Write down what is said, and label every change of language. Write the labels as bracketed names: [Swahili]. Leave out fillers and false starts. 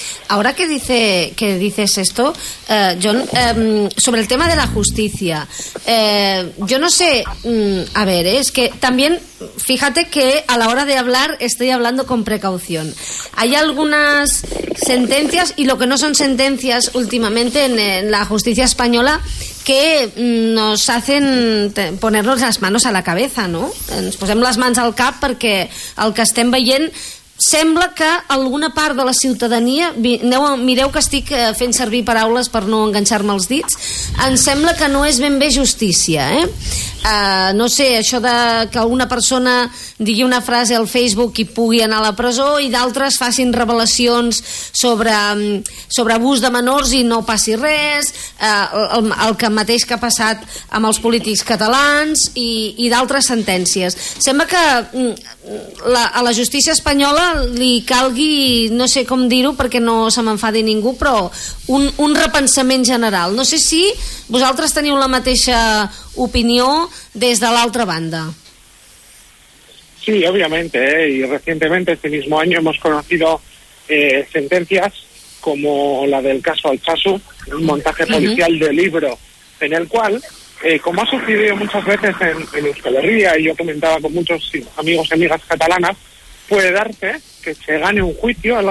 [Spanish] Ahora que dices esto, John, sobre el tema de la justicia, yo no sé, a ver, es que también fíjate que a la hora de hablar estoy hablando con precaución. Hay algunas sentencias y lo que no son sentencias últimamente en la justicia española que nos hacen ponernos las manos a la cabeza, ¿no? [Catalan] Ens posem les mans al cap perquè el que estem veient sembla que alguna part de la ciutadania, mireu que estic fent servir paraules per no enganxar-me els dits, em sembla que no és ben bé justícia, eh? No sé, això de que una persona digui una frase al Facebook i pugui anar a la presó i d'altres facin revelacions sobre abús de menors i no passi res, el que mateix que ha passat amb els polítics catalans i d'altres sentències. Sembla que a la justícia espanyola li calgui, no sé com dir-ho perquè no se m'enfadi ningú, però un repensament general. No sé si vosaltres teniu la mateixa opinió des de l'altra banda. [Spanish] Sí, obviamente, y recientemente este mismo año hemos conocido sentencias como la del caso Altsasu, un montaje policial de libro, en el cual, como ha sucedido muchas veces en Euskal Herria, y yo comentaba con muchos amigos y amigas catalanas, puede darse que se gane un juicio.